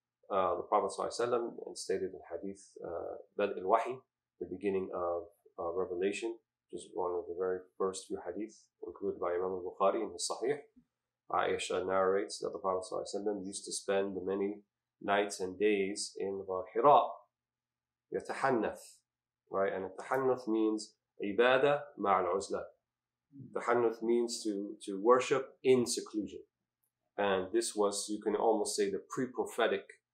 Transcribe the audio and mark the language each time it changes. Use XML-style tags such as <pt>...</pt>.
<en>The Prophet ﷺ stated in hadith bad al-wahi, the beginning of revelation, which is one of the very first few hadith included by Imam al-Bukhari in his sahih. Aisha narrates that the Prophet ﷺ used to spend the many nights and days in Hira,</en> <ar>يتحنث,</ar> <en>right? And</en> <ar>التحنث</ar> <en>means</en> <ar>عبادة مع العزلة. التحنث</ar> <en>means to worship in seclusion. And this was, you can almost say, the pre-prophetic</en>